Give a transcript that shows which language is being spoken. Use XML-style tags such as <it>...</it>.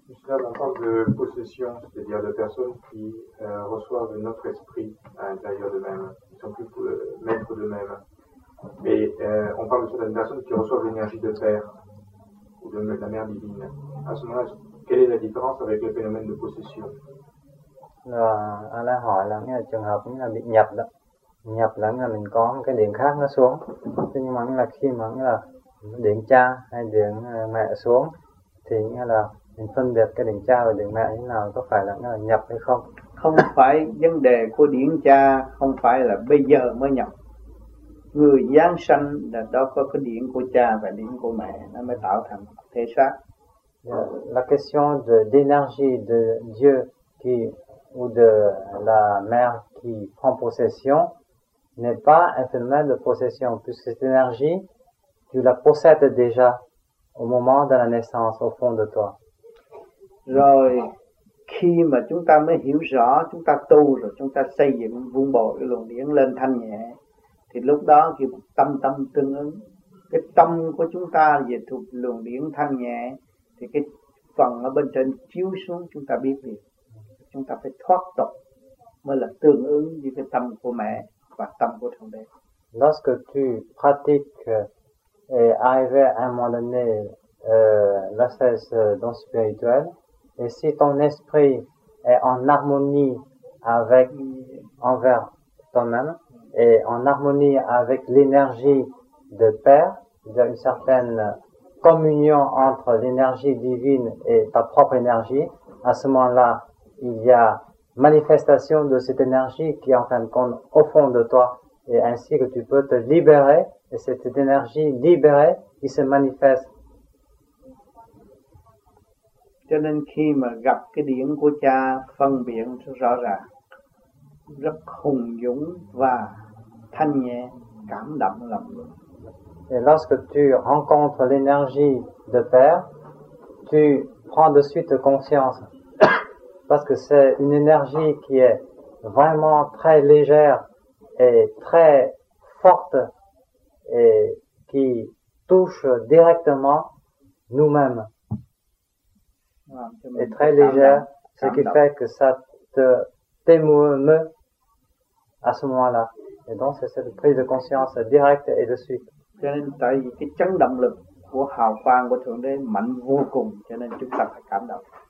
<fr>En parle de possession, c'est-à-dire de personnes qui reçoivent notre esprit à l'intérieur d'eux-mêmes, qui ne sont plus maîtres d'eux-mêmes. Mais on parle de certaines personnes qui reçoivent l'énergie de Père ou de la Mère divine. À ce moment-là, quelle est la différence avec le phénomène de possession? Alors,</fr> <vi>hỏi là cái trường hợp là bị nhập đó. Nhập là nghĩa là mình có cái điện khác nó xuống. Thế nhưng mà nghĩa là khi mà nghĩa là điện cha hay điện mẹ xuống thì nghĩa là mình phân biệt cái điện cha và điện mẹ như nào, có phải là nó nhập hay không? Không phải vấn đề của điện cha, không phải là bây giờ mới nhập. Người giáng sanh là đó có cái điện của cha và điện của mẹ, nó mới tạo thành thể xác.</vi> <fr>La question de d'énergie de Dieu qui ou de la mère qui prend possession n'est pas un phénomène de possession, puisque cette énergie, tu la possèdes déjà au moment de la naissance au fond de toi.</fr> <vi>Rồi khi mà chúng ta mới hiểu rõ, chúng ta tu rồi, chúng ta xây dựng vun bồi cái luồng điển lên thanh nhẹ, thì lúc đó khi tâm tâm tương ứng, cái tâm của chúng ta về thuộc luồng điển thanh nhẹ, thì cái phần ở bên trên chiếu xuống chúng ta biết liền. Chúng ta phải thoát tục mới là tương ứng với cái tâm của mẹ và tâm của thượng đế.</vi> <fr>Lorsque tu pratiques et arrives à un moment donné la cesse dans le spirituel, et si ton esprit est en harmonie avec envers toi-même et en harmonie avec l'énergie de Père, il y a une certaine communion entre l'énergie divine et ta propre énergie, à ce moment-là, il y a manifestation de cette énergie qui est en fin de compte au fond de toi, et ainsi que tu peux te libérer, et c'est cette énergie libérée qui se manifeste.</fr> <vi>Cho nên khi mà gặp cái điển của cha phân biện rõ ràng, rất hùng dũng và thanh nhẹ, cảm động lòng người.</vi> <fr>Et lorsque tu rencontres l'énergie de Père, tu prends de suite conscience, parce que c'est une énergie qui est vraiment très légère et très forte, et qui touche directement nous-mêmes. Ouais, est très légère, ce qui fait que ça te t'émoume à ce moment-là. Et donc, c'est cette prise de conscience directe et de suite.</fr> <vi>Cho nên tại vì cái chấn động lực của hào quang của Thượng Đế mạnh vô cùng, cho nên chúng ta phải cảm động.</vi>